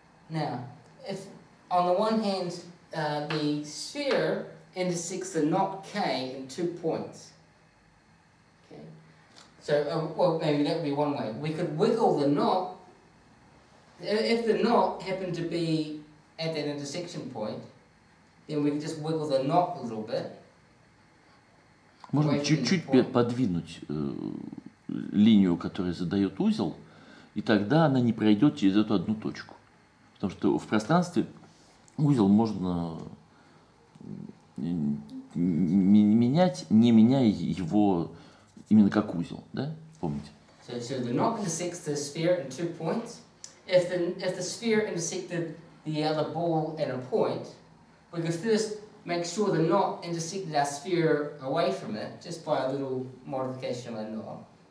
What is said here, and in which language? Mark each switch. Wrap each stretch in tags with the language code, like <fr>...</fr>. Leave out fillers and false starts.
<en>Now, if on the one hand the sphere intersects the knot K in two points. Okay. So, maybe that would be one way. We could wiggle the knot. If the knot happened to be at that intersection point, then we could just wiggle the knot a little bit.</en> <ru>Можно чуть-чуть подвинуть линию, которая задает узел, и тогда она не пройдет через эту одну точку. Потому что в пространстве узел можно менять, не меняя его именно как узел, да? Помните?</ru> <en>So the knot intersects the sphere in two points. If the sphere intersected the other ball in a point, we could first make sure the knot intersected our sphere away from it, just by a little modification of the knot.</en>